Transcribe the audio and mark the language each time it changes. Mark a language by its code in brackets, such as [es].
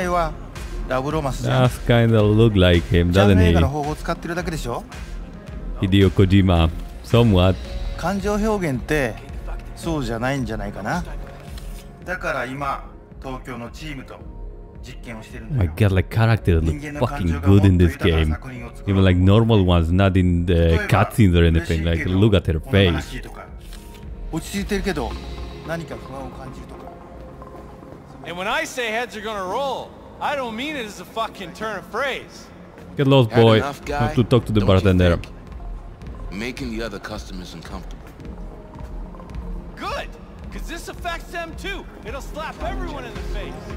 [en] That's kind of look like him, doesn't he? Hideo Kojima, somewhat. [ja] 感情表現ってそうじゃないんじゃないかな。だから今東京のチームと実験をしてるんだよ。 [en] My God, like character look fucking good in this game. Even like normal ones, not in the cutscenes or anything. Like look at her face. [ja] 落ち着いてるけど何か不安を感じるとか。 [en] And when I say heads are gonna roll, I don't mean it as a fucking turn of phrase. Get lost, boy. Have to talk to the bartender. Making the other customers uncomfortable. Good, because this affects them too. It'll slap everyone in the face.